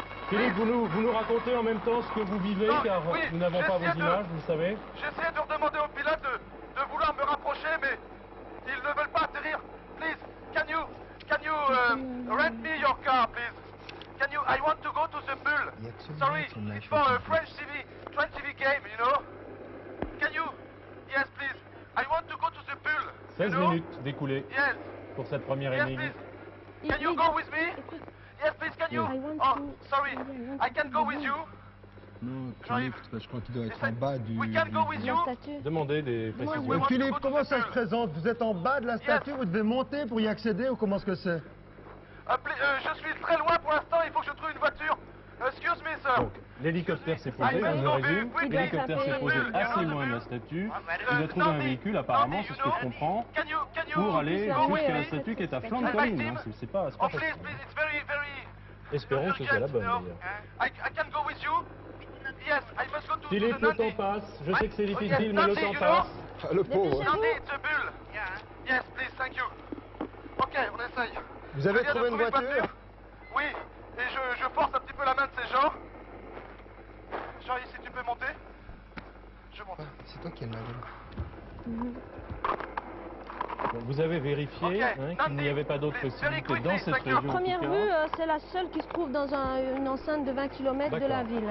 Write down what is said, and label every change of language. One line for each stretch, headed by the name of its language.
French: Philippe, vous nous racontez en même temps ce que vous vivez, nous n'avons pas vos images, vous savez. J'essaie de redemander au pilote de vouloir me rapprocher, mais ils ne veulent pas atterrir.
English: Please, Can you rent me your car, please? Can you? I want to go to the bull. Sorry, it's for a French TV game, you know. Can you? Yes, please. I want to go to the bull.
French: 16 minutes découlées.
English: Yes.
French: Pour cette première énigme.
English: Yes, please. Can you go with me? Yes, please. Can you? Oh, sorry. I can go with you.
French: Non, Philippe, je crois qu'il doit être en bas du...
English: We can go with you.
French: Demandez des précisions. Mais Philippe, comment ça se présente? Vous êtes en bas de la statue, vous devez monter pour y accéder, ou comment est-ce que c'est? Je suis très loin pour l'instant, il faut que je trouve une voiture.
English: Excuse me, sir.
French: Donc, l'hélicoptère s'est posé, on le résume. L'hélicoptère s'est posé assez loin de la statue. Il a trouvé un véhicule, apparemment, c'est ce que je comprends, pour aller jusqu'à la statue qui est à flanc de colline. C'est pas...
English: Oh, please, it's very, very...
French: Espérons que c'est la bonne, d'ailleurs.
English: I can go with you. Yes, I must go to
French: Philippe,
English: the
French: le temps passe. Je sais que c'est difficile, mais le temps passe. Le pauvre.
English: Nandi, it's a bull. Yeah. Yes, please, thank you.
French: OK, on essaye. Vous avez trouvé une voiture? Oui, et je force un petit peu la main de ces gens. Jean, si tu peux monter. Je monte. Ah, c'est toi qui es malade. Bon, vous avez vérifié qu'il n'y avait pas d'autres possibilités dans cette région. À première vue, c'est la seule qui se trouve dans une enceinte de 20 km de la ville.